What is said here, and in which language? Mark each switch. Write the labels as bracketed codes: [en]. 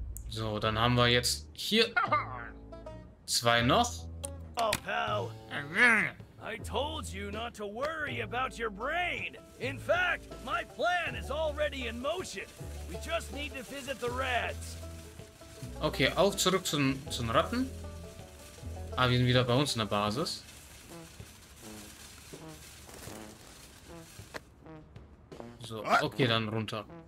[de] So, dann haben wir jetzt hier zwei noch. [en] Oh, pal. I told you not to worry about your brain. In fact, my plan is already in motion. We just need to visit the rats. [de] Okay, auf zurück zum Ratten. Ah, wir sind wieder bei uns in der Basis. So, okay, dann runter.